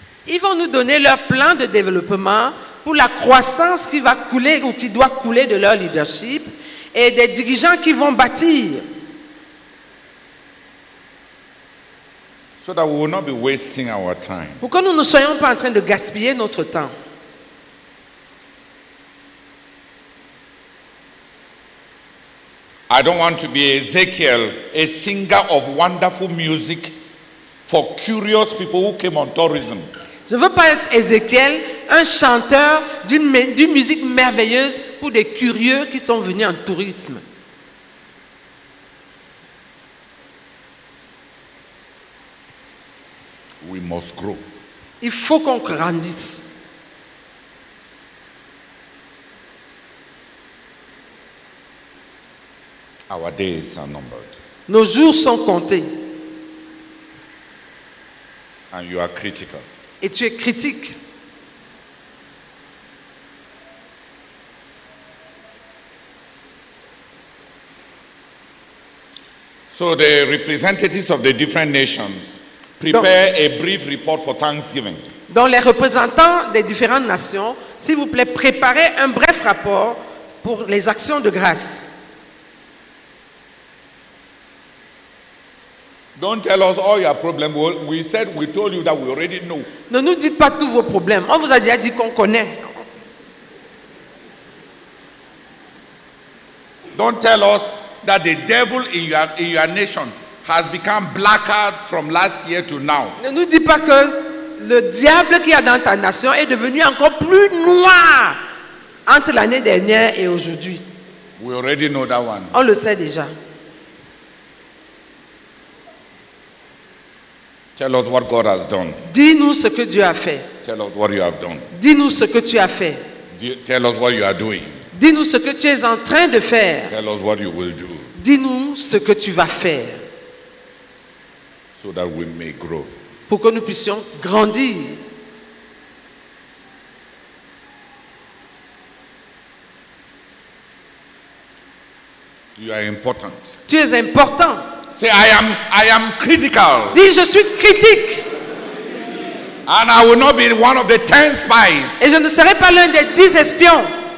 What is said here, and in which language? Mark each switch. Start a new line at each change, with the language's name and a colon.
French: Ils vont nous donner leur plan de développement pour la croissance qui va couler ou qui doit couler de leur leadership et des dirigeants qui vont bâtir.
English: So that we will not be wasting our time.
French: Pour que nous ne soyons pas en train de gaspiller notre temps.
English: I don't want to be Ezekiel, a singer of wonderful music for curious people who came on tourism.
French: Je veux pas être Ezekiel, un chanteur d'une musique merveilleuse pour des curieux qui sont venus en tourisme.
English: We must grow.
French: Il faut qu'on grandisse.
English: Our days are numbered.
French: Nos jours sont comptés.
English: And you are critical.
French: Et tu es critique.
English: So the representatives of the different nations prepare a brief report for Thanksgiving.
French: Donc les représentants des différentes nations, s'il vous plaît, préparez un bref rapport pour les actions de grâce.
English: Don't tell us all your problems. We said we told you that we already know.
French: Ne nous dites pas tous vos problèmes. On vous a déjà dit qu'on connaît.
English: Don't tell us that the devil in your nation has become blacker from last year to now.
French: Ne nous dites pas que le diable qui est dans ta nation est devenu encore plus noir entre l'année dernière et aujourd'hui.
English: We already know that one.
French: On le sait déjà.
English: Tell us what God has done.
French: Dis-nous ce que Dieu a fait.
English: Tell us what you have done.
French: Dis-nous ce que tu as fait.
English: Tell us what you are doing.
French: Dis-nous ce que tu es en train de faire.
English: Tell us what you will do.
French: Dis-nous ce que tu vas faire.
English: So that we may grow.
French: Pour que nous puissions grandir.
English: You are important.
French: Tu es important.
English: Say I am critical.
French: Dis je suis critique.
English: And I will not be one of the 10 spies.
French: Et je ne serai pas l'un des 10 espions.